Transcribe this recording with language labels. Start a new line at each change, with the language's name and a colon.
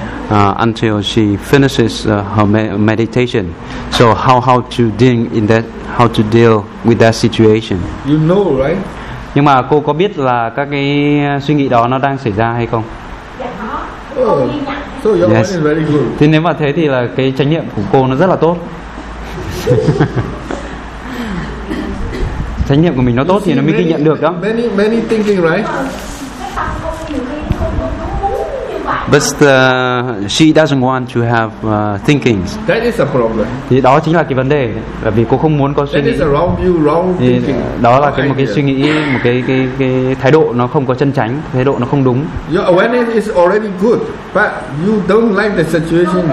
English: Until she finishes her meditation, so how to deal in that? How to deal with that situation? You know, right?
Vietnamese: Nhưng mà cô có biết là các cái suy nghĩ đó nó đang xảy ra hay không?
English: So your mind is very good.
Vietnamese: Thì nếu mà thế thì là cái chánh niệm của cô nó rất là tốt. Chánh niệm của mình nó tốt thì nó mới ghi nhận được đó.
English: Many thinking, right? But she doesn't want to have thinking. That is a problem.
Vietnamese: Thì đó chính là cái vấn đề, là vì cô không muốn có suy nghĩ.
English: That is a wrong view, wrong thinking.
Vietnamese: Đó là cái một cái suy nghĩ, một cái thái độ nó không có chân chánh, thái độ nó không đúng.
English: Your awareness is already good, but you don't like the situation.